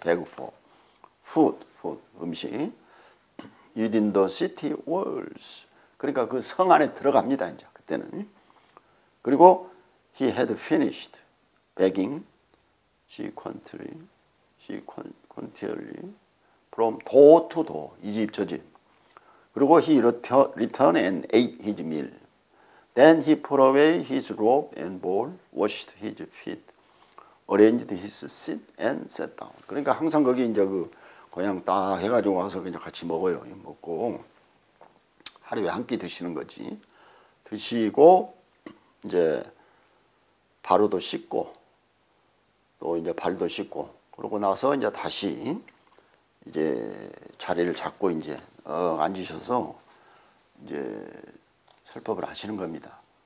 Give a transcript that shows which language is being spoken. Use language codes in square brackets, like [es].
[en] beg for food 음식 within the city walls. [ko] 그러니까 그 성 안에 들어갑니다 이제 그때는. [en] 그리고 he had finished begging sequentially from door to door, [ko] 이 집 저 집. [en] 그리고 he returned and ate his meal. Then he put away his robe and bowl, washed his feet, arranged his seat and sat down. [ko] 그러니까 항상 거기 이제 그 고향 딱 해가지고 와서 그냥 같이 먹어요. 먹고 하루에 한 끼 드시는 거지. 드시고 이제 바로도 씻고 또 이제 발도 씻고 그러고 나서 이제 다시 이제 자리를 잡고 이제 앉으셔서 이제 설법을 하시는 겁니다.